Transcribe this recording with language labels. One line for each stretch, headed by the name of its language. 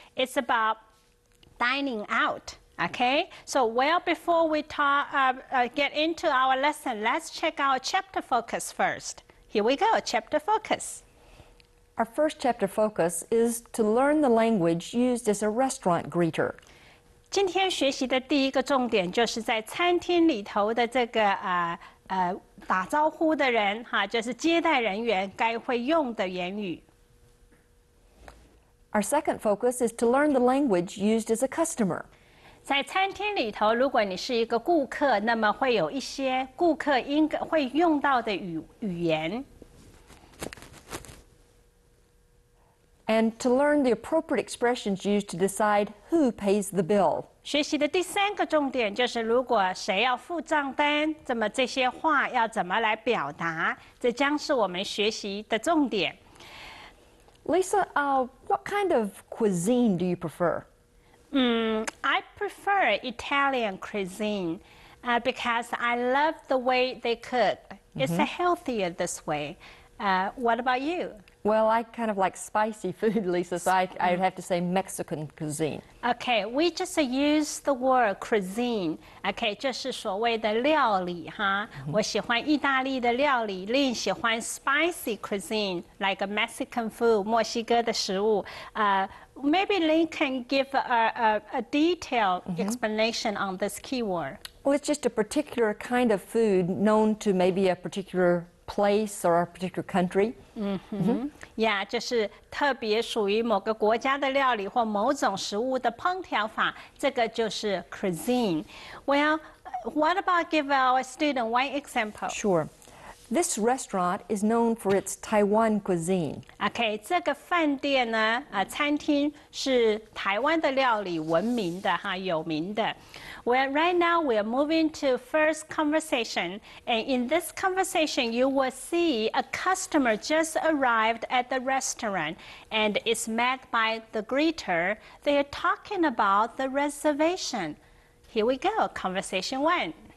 English: It's about dining out, okay? So, well, before we get into our lesson, let's check our chapter focus first. Here we go, chapter focus. Our first chapter focus is to learn the language used as a restaurant greeter.
Chinese: 今天学习的第一个重点就是在餐厅里头的这个打招呼的人哈，就是接待人员该会用的言语。
English: Our second focus is to learn the language used as a customer.
Chinese: 在餐厅里头，如果你是一个顾客，那么会有一些顾客应该会用到的语言。
English: And to learn the appropriate expressions used to decide who pays the bill.
Chinese: 学习的第三个重点就是如果谁要付账单，怎么这些话要怎么来表达，这将是我们学习的重点。
English: Lisa, what kind of cuisine do you prefer? I prefer Italian cuisine, because I love the way they cook. It's healthier this way. What about you? Well, I kind of like spicy food, Lisa, so I'd have to say Mexican cuisine. Okay, we just use the word cuisine. Okay,
Chinese: 就是所谓的料理哈。我喜欢意大利的料理，另喜欢 spicy cuisine,
English: like Mexican food,
Chinese: 墨西哥的食物。
English: Maybe Lin can give a detailed explanation on this keyword. Well, it's just a particular kind of food known to maybe a particular... place or a particular country.
Chinese: Yeah, 就是特别属于某个国家的料理或某种食物的烹调法，这个就是 cuisine.
English: Well, what about give our student one example? Sure. This restaurant is known for its Taiwan cuisine.
Chinese: Okay, 这个饭店呢，餐厅是台湾的料理闻名的哈，有名的。
English: Well, right now we're moving to first conversation, and in this conversation, you will see a customer just arrived at the restaurant, and is met by the greeter. They are talking about the reservation. Here we go, conversation one.